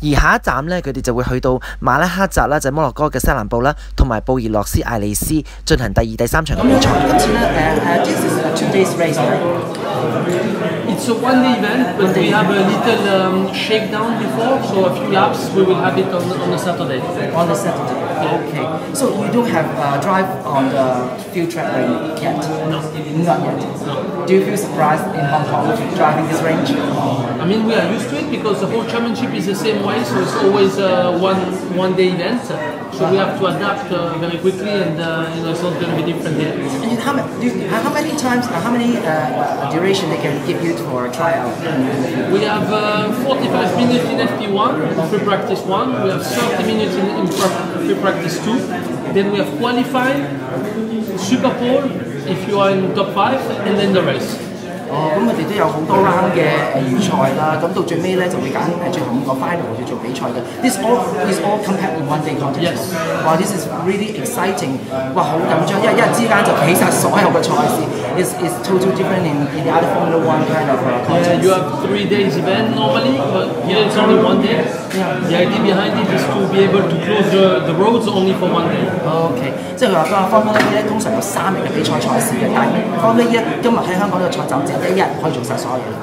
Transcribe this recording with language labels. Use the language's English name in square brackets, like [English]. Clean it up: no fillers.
[Cantonese] 而下一站咧，佢哋就会去到马拉克扎啦，就是、摩洛哥嘅西南部啦，同埋布宜诺斯艾利斯进行第三场嘅比赛。今次咧， [English] this is a 2 days race, It's a 1 day event, but we have a little shakedown before, so a few laps we will have it on the Saturday. On the Saturday, okay. So you don't have drive on the few track range yet? No, not yet. Do you feel surprised in Hong Kong driving this range? I mean, we are used to it because the whole championship is the same way, so it's always a one-day event. So we have to adapt very quickly, and you know, it's not going to be different here. And how many duration they can give you for a tryout? We have 45 minutes in FP1, pre-practice 1. We have 30 minutes in pre-practice 2. Then we have qualifying, super pole. If you are in top 5, and then the race. [Cantonese] Oh, 咁佢哋都有好多 round 嘅預賽啦。咁到最尾咧就會揀最後5個 final 去做比賽嘅。 [English] This all compact in one day contest. Yes. Wow, this is really exciting. [Cantonese] 哇，好緊張，一日之間就起曬所有嘅賽事。 [English] It's totally different in the other Formula One kind of contest. Yeah, you have 3 days event normally, but here it's only 1 day. Yeah. The idea behind it is to be able to close the roads only for 1 day. [Cantonese] Okay. 即係話個 Formula E 咧，通常有3日嘅比賽賽事嘅，但係 Formula E 今日喺香港呢個賽站只有一日可以做曬所有嘢。